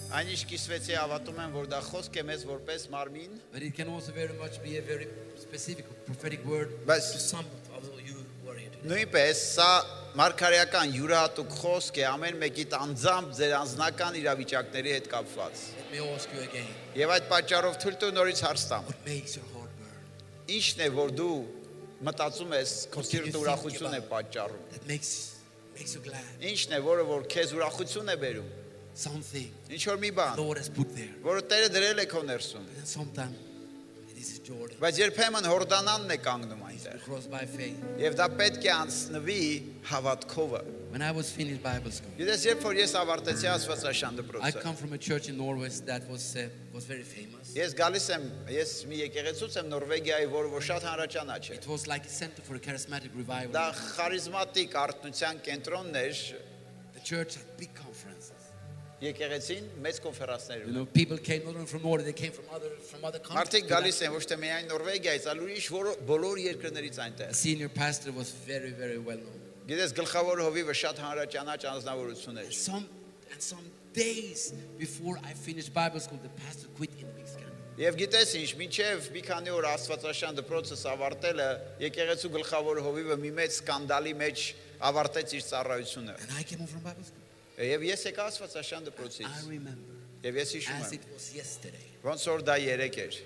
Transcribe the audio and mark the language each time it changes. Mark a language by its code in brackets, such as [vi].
[hy] Այնիշ կիսվեցի հավատում եմ, որ դա խոսք է մեզ որպես մարմին. [en] But it can also very much be a very specific prophetic word but to some of you who are here today. [hy] Նույնպես սա մարգարեական յուրահատուկ խոսք է ամեն մեկի անձամբ ձեր անձնական իրավիճակների հետ կապված. [en] Let me ask you again. [hy] Եվ այդ պատճառով թույլ տու նորից հարցնեմ. [en] What makes your heart burn? [hy] Ինչն է, որ դու մտածում ես, քո սիրտը ուրախություն է պատճառում. [en] Makes you glad. [hy] Ինչն է, որը որ քեզ ուրախություն է բերում. [en] Something. [hy] Ինչ որ մի բան. [en] The Lord has put there. [hy] Որը Տերը դրել է քո ներսում. [en] Sometimes it is Jordan. [hy] Բայց երբեմն Հորդանանն է կանգնում այնտեղ. Եվ դա պետք է անցնվի հավատքով. [en] When I was finished Bible school. [hy] Եթե ես երբ որ ես ավարտեցի Աստվածաշան դպրոցը. [en] I come from a church in Norway that was very famous. [hy] Ես գալիս եմ, ես մի եկեղեցուց եմ Նորվեգիայի, որը որ շատ հանրաճանաչ է. [en] It was like a center for a charismatic revival. [hy] Դա խարիզմատիկ արթնության կենտրոնն էր. [en] The church had big conferences. [hy] Եկեղեցին մեծ կոնֆերանսներ ունի. [en] You know, people came not only from Norway, they came from other countries. [hy] Մարդիկ գալիս են ոչ թե միայն Նորվեգիայից, այլ ուրիշ բոլոր երկրներից այնտեղ. [en] Senior pastor was very very well known. [hy] Գիտես գլխավոր հովիվը շատ հանրաճանաչ անձնավորություն էր. [en] Days before I finished Bible school, the pastor quit in the big scandal. [hy] Եվ գիտես ինչ, մինչև մի քանի օր Աստվածաշան դպրոցը ավարտելը, եկեղեցու գլխավոր հովիվը մի մեծ սկանդալի մեջ ավարտեց իր ծառայությունը. [en] And I came from Bible school. [hy] Եվ ես եկա Աստվածաշան դպրոցից. [en] I remember. [hy] Եվ ես հիշում եմ. [en] As it was yesterday. [hy] Ոնց որ դա երեկ էր.